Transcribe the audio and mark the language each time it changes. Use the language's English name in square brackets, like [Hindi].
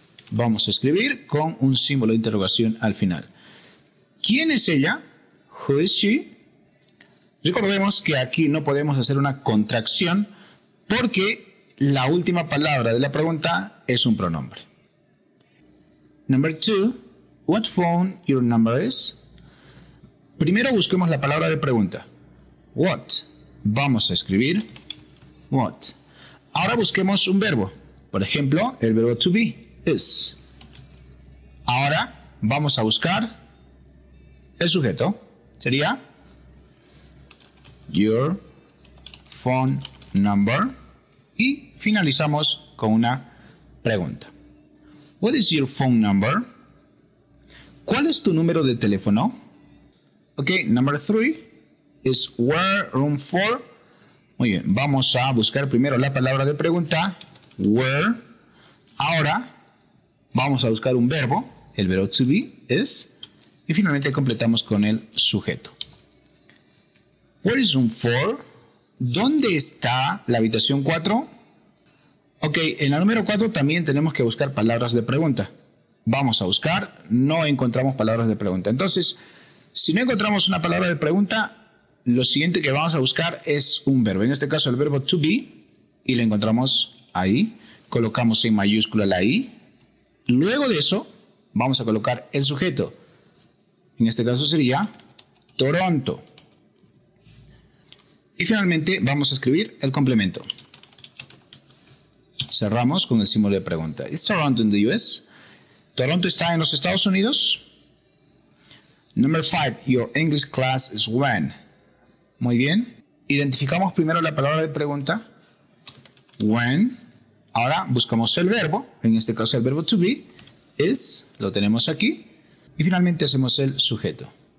[Spanish] Vamos a escribir con un símbolo de interrogación al final. ¿Quién es ella? [English] Who is she? [Spanish] Recordemos que aquí no podemos hacer una contracción porque la última palabra de la pregunta es un pronombre. [English] Number two, what phone your number is? [Spanish] Primero busquemos la palabra de pregunta. What? Vamos a escribir what. Ahora busquemos un verbo. Por ejemplo, el verbo to be, is. Ahora vamos a buscar el sujeto. [English] Sería your phone number. [Spanish] Y finalizamos con una pregunta. [English] What is your phone number? [Spanish] ¿Cuál es tu número de teléfono? [English] Ok, number three is where room for. [Spanish] Muy bien, vamos a buscar primero la palabra de pregunta, where. Ahora vamos a buscar un verbo, el verbo to be, is. Y finalmente completamos con el sujeto. [English] Where is room for? [Spanish] ¿Dónde está la habitación 4? Ok, en la número 4 también tenemos que buscar palabras de pregunta. Vamos a buscar, no encontramos palabras de pregunta. Entonces, si no encontramos una palabra de pregunta, lo siguiente que vamos a buscar es un verbo. En este caso el verbo to be, y lo encontramos ahí. Colocamos en mayúscula la I. Luego de eso, vamos a colocar el sujeto. En este caso sería Toronto. Y finalmente vamos a escribir el complemento. Cerramos con el símbolo de pregunta. [English] ¿Is Toronto in the US? [Spanish] ¿Toronto está en los Estados Unidos? [English] Number five, your English class is when? [Spanish] Muy bien. Identificamos primero la palabra de pregunta. When. Ahora buscamos el verbo. En este caso el verbo to be. Is. Lo tenemos aquí. Y finalmente hacemos el sujeto.